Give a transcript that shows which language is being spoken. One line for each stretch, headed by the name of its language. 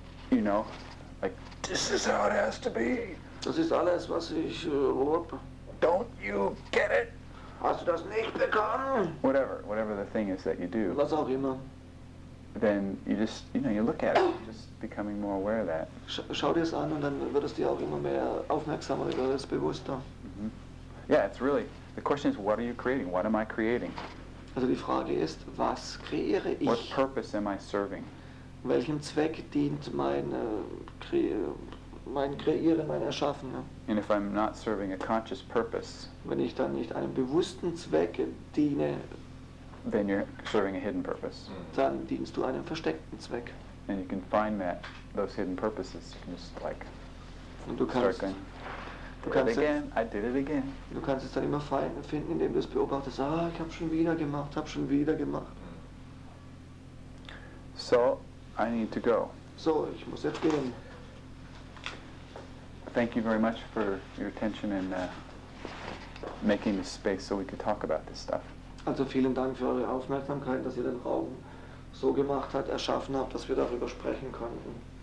English: you know, like, this is how it has to be.
German: Das ist alles, was ich,
English: don't you get it?
German: Hast du das nicht bekommen?
English: Whatever the thing is that you do.
German: Was auch immer.
English: Then you just, you know, you look at it, just becoming more aware of that.
German: Schau dir es an und dann wird es dir auch immer mehr aufmerksamer, wird es bewusster.
English: Yeah, it's really, the question is, what are you creating? What am I creating?
German: Also die Frage ist, was kreiere ich?
English: What purpose am I serving?
German: Welchem Zweck dient mein Kreieren, mein Erschaffen?
English: And if I'm not serving a conscious purpose,
German: wenn ich dann nicht einem bewussten Zweck diene,
English: then you're serving a hidden purpose.
German: Dann dienst du einem versteckten Zweck.
English: And you can find those hidden purposes. You can just like
German: und du kannst
English: start going. I did it again.
German: Du kannst es dann immer fein finden, indem du es beobachtest. Ah, ich habe schon wieder gemacht, habe schon wieder gemacht.
English: So, I need to go.
German: So, ich muss jetzt gehen.
English: Thank you very much for your attention and making the space so we could talk about this stuff.
German: Also vielen Dank für eure Aufmerksamkeit, dass ihr den Raum so gemacht habt, erschaffen habt, dass wir darüber sprechen konnten.